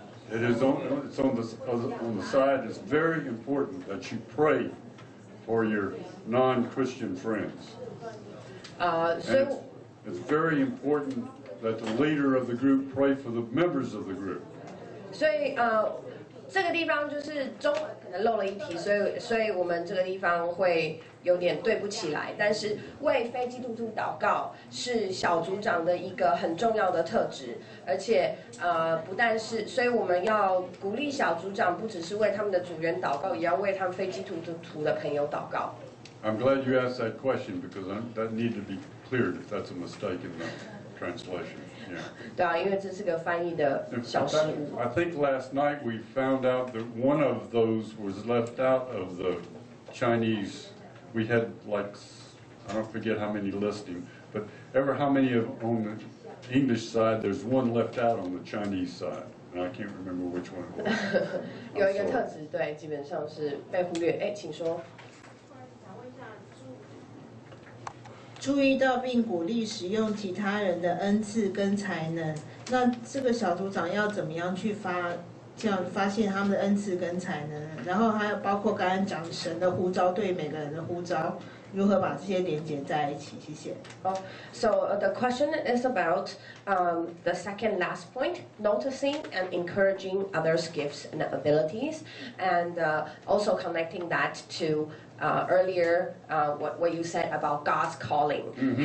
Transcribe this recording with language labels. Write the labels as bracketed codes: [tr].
[en] It's on the side. It's very important that you pray for your non-Christian friends. It's very important. That the leader of the group pray for the members of the group. [zh] 所以这个地方就是中文可能漏了一题，所以我们这个地方会有点对不起来。但是为非基督徒祷告是小组长的一个很重要的特质，而且不但是，所以我们要鼓励小组长不只是为他们的组员祷告，也要为他们非基督徒的朋友祷告。 [en] I'm glad you asked that question because that needs to be cleared if that's a mistake in that. Translation. Yeah. I think last night we found out that one of those was left out of the Chinese. We had like, I don't forget how many listing, but ever how many of on the English side, there's one left out on the Chinese side. And I can't remember which one it was. [zh] 有一个特质，对，基本上是被忽略。哎，请说。注意到并鼓励使用其他人的恩赐跟才能，那这个小组长要怎么样去发现他们的恩赐跟才能？然后还有包括刚刚讲神的呼召对每个人的呼召，如何把这些连结在一起？谢谢。 [en] So the question is about the second last point, noticing and encouraging others' gifts and abilities, and also connecting that to. Earlier, what you said about God's calling,、mm-hmm.